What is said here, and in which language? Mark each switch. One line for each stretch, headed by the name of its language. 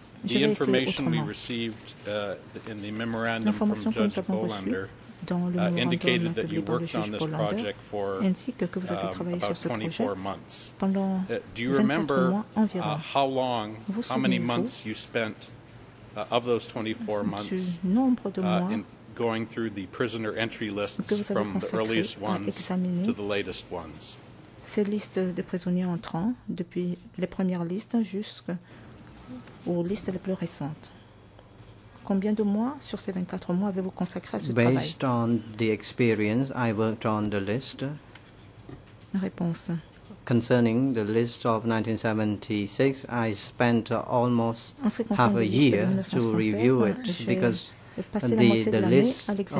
English: The information we received in the memorandum from Judge Bolander indicated that you worked on this project for about 24 months. Do you remember how long, how many months you spent of those 24 months in going through the prisoner entry lists from the earliest ones to the latest ones?
French: Ces listes de prisonniers entrants, depuis les premières listes jusqu'aux listes les plus récentes. Combien de mois sur ces 24 mois avez-vous consacré à ce travail?
English: Based on the experience, I worked on the list.
French: Réponse.
English: Concerning the list of 1976, I spent almost half a year to review it because The list